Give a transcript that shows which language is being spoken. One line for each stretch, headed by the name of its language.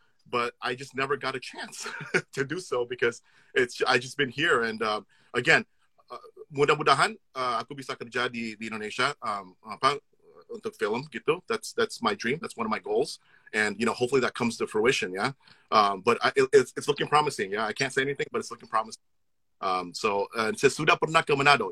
English: But I just never got a chance to do so because I just been here.
Indonesian: And mudah-mudahan aku bisa kerja di Indonesia untuk film gitu.
English: That's my dream. That's one of my goals. And you know, hopefully that comes to fruition. Yeah. But it's looking promising. Yeah. I can't say anything, but it's looking promising.
Indonesian: So sudah pernah ke Manado?